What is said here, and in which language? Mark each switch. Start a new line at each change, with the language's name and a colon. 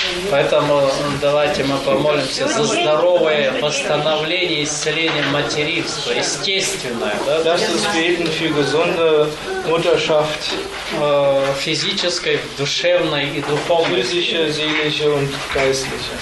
Russian: Поэтому давайте мы помолимся за здоровое восстановление и исцеление материнства, естественное. Да?
German: Das ist beten für gesunde Mutterschaft.
Russian: Физической, душевной и духовной.
German: Physische, seelische und geistliche.